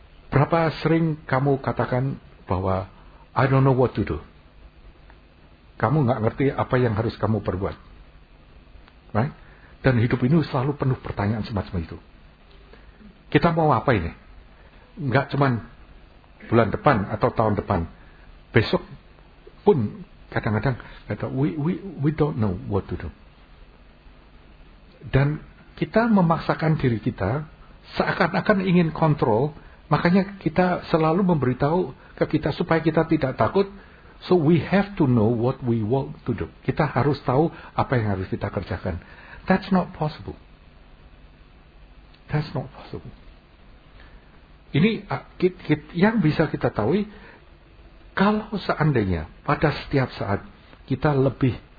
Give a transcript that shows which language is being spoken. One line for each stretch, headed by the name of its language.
Indonesian: Berapa sering kamu katakan bahwa
English: I don't know what to do.
Indonesian: Kamu enggak ngerti apa yang harus kamu perbuat.
English: Right?
Indonesian: Dan hidup ini selalu penuh pertanyaan semacam itu. Kita mau apa ini? Enggak cuman bulan depan atau tahun depan. Besok pun kadang-kadang kata
English: we don't know what to do.
Indonesian: Dan kita memaksakan diri kita seakan-akan ingin kontrol. Makanya kita selalu memberitahu ke kita supaya kita tidak takut.
English: So we have to know what we want to do.
Indonesian: Kita harus tahu apa yang harus kita kerjakan.
English: That's not possible.
Indonesian: Ini yang bisa kita tahu kalau seandainya pada setiap saat kita lebih